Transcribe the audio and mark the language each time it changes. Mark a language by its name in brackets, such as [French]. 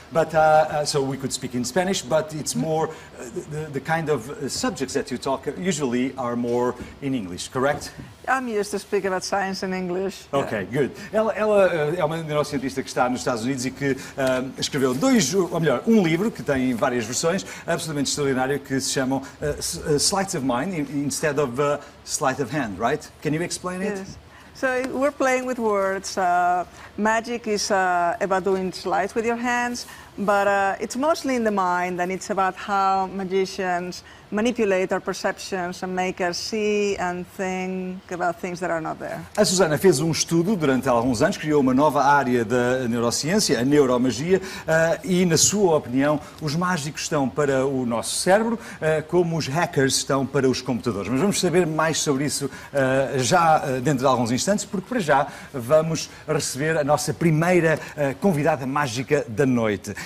[English] But so we could speak in Spanish, but it's more the kind of subjects that you talk usually are more in English, correct? I'm used to speak about science in English. Okay, yeah. Good. [Portuguese] Ela é uma neurocientista que está nos Estados Unidos e que escreveu dois, ou melhor, um livro que tem várias versões, absolutamente extraordinário, que se chamam Sleights of Mind [English] instead of Sleight of Hand, right? Can you explain it? Yes. So we're playing with words. Magic is about doing sleight with your hands, but it's mostly in the mind, and it's about how magicians manipulate our perceptions and make us see and think about things that are not there. [Portuguese] A Susana fez um estudo durante alguns anos, criou uma nova área da neurociência, a neuromagia, e na sua opinião, os mágicos estão para o nosso cérebro, como os hackers estão para os computadores. Mas vamos saber mais sobre isso já dentro de alguns instantes, porque para já vamos receber a nossa primeira convidada mágica da noite.